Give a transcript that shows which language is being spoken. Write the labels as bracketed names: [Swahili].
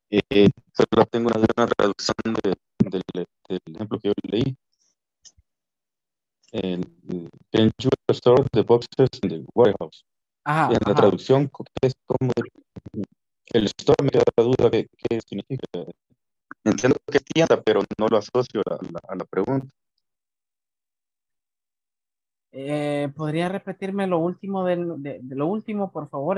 [Spanish] Solo tengo una traducción del ejemplo que yo leí. [English] Can you store the boxes in the warehouse? [Spanish] Ajá, en la traducción, ¿qué es como el store? Me queda la duda de qué significa. Entiendo que tienda, pero no lo asocio a la pregunta. ¿Podría repetirme lo último de lo último, por favor?